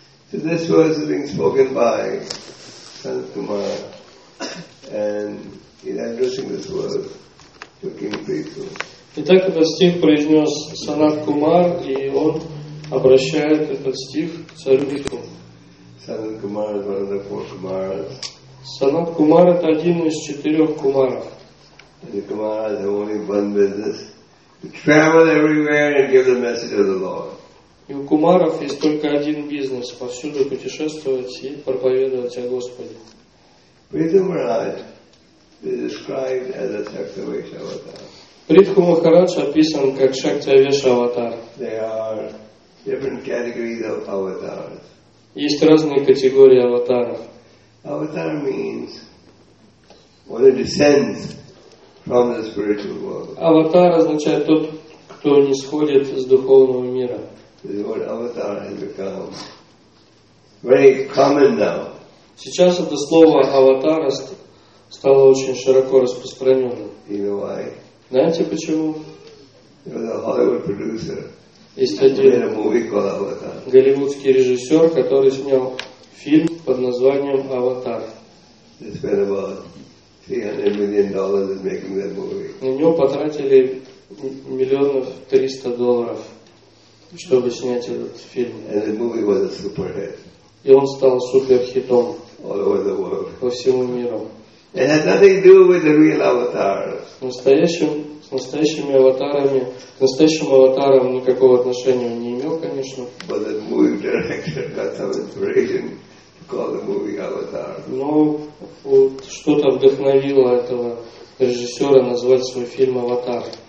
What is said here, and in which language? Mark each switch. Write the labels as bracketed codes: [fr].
[en] So this was being spoken by Sanat Kumara, and he's addressing this word to King Prithu. [ru] Итак, этот стих произнес Санат Кумар, и он обращает этот стих к царю Прихву. [en] Санат Кумар is one of the four Kumaras. [ru] Санат Кумар – это один из четырех кумаров. [en] The Kumaras have only one business: to travel everywhere and give the message of the Lord. [ru] И у кумаров есть только один бизнес: повсюду путешествовать и проповедовать о Господе. [en] Prithu Maharaj is described as a Shaktivesha Avatar. [ru] Prithu Maharaj описан как Шактивеша Аватар. [en] There are different categories of avatars. [ru] Есть разные категории аватаров. [en] Avatar means one who descends from the spiritual world. [ru] Аватар означает тот, кто не сходит с духовного мира. [en] The word avatar has become very common now. [ru] Сейчас это слово аватар стало очень широко распространенным. [en] You know why? [ru] Знаете почему? [en] Because a Hollywood producer [ru] Есть один голливудский режиссер, который снял фильм под названием «Аватар». На него потратили $1,300,000, чтобы снять этот фильм. [en] And the movie was a super hit. [ru] И он стал суперхитом по всему миру. [en] It had nothing to do with the real avatar. [ru] Настоящим аватаром никакого отношения не имел, конечно. [en] But the movie director got some inspiration. Call the movie Avatar. [ru] Но вот что-то вдохновило этого режиссера назвать свой фильм «Аватар».